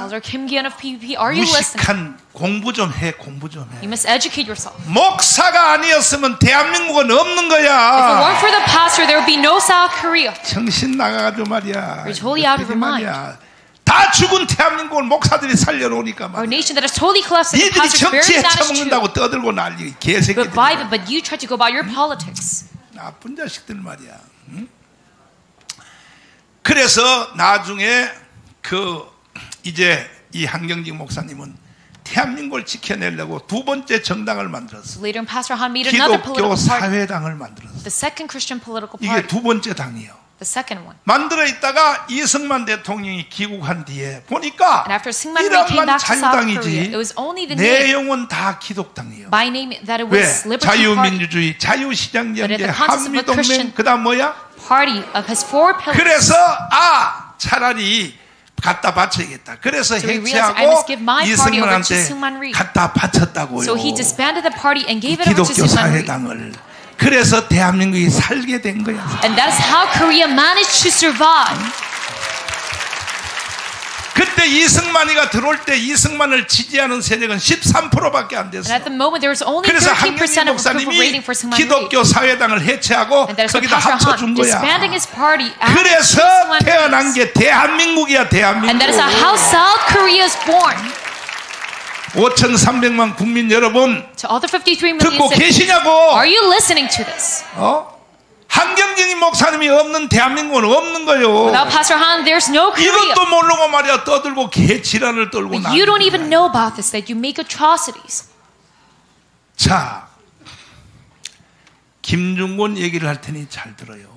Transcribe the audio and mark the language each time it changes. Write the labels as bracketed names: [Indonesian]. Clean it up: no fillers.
[English] Elder Kim Gyeon of PPP, are you listening? [Korean] 무식한 공부 좀 해, 공부 좀 해. [English] You must educate yourself. [Korean] 목사가 아니었으면 대한민국은 없는 거야. [English] If it weren't for the pastor, there would be no South Korea. [Korean] 정신 나가가지고 말이야. [English] You're totally out of your mind. [Korean] 다 죽은 대한민국을 목사들이 살려놓으니까 말이야. [English] Our nation that is totally collapsed. [Korean] 니들이 정치에 처먹는다고 떠들고 난리 개새끼들. [English] But you try to go about your politics. [Korean] 나쁜 자식들 말이야. 그래서 나중에 그 이제 이 한경직 목사님은 대한민국을 지켜내려고 두 번째 정당을 만들었어. 기독교 사회당을 만들었어. 이게 두 번째 당이요. 만들어 있다가 이승만 대통령이 귀국한 뒤에 보니까 이름만 자유당이지 내용은 다 기독당이에요. 왜? 자유민주주의, 자유시장연대, 한미동맹, 그다음 뭐야? [English] Party of his four pillars. [Korean] 그래서 차라리 갖다 바쳐야겠다. 그래서 해체하고 이승만한테 갖다 바쳤다고요. [English] So he disbanded the party and gave it to Sungman Rhee. [Korean] 당을 그래서 대한민국이 살게 된 거야. [English] And that's how Korea managed to survive. [Korean] 그때 이승만이가 들어올 때 이승만을 지지하는 세력은 13%밖에 안 됐어. [English] And at the moment there was only 13% of people waiting for Sungman Rhee. [Korean] 기독교 사회당을 해체하고 거기다 합쳐 준 거야. [English] Disbanding his party. [Korean] 그래서 태어난 게 대한민국이야, 대한민국. [English] And that is how South Korea is born. [Korean] 5,300만 국민 여러분, 듣고 계시냐고? [English] Are you listening to this? [Korean] 한경진 목사님이 없는 대한민국은 없는 거요. [English] Without Pastor Han, there's no Korea. [Korean] 이것도 모르고 말이야 떠들고 개치란을 떨고 나. [English] You don't even know about this that you make atrocities. [Korean] 자, 김중곤 얘기를 할 테니 잘 들어요.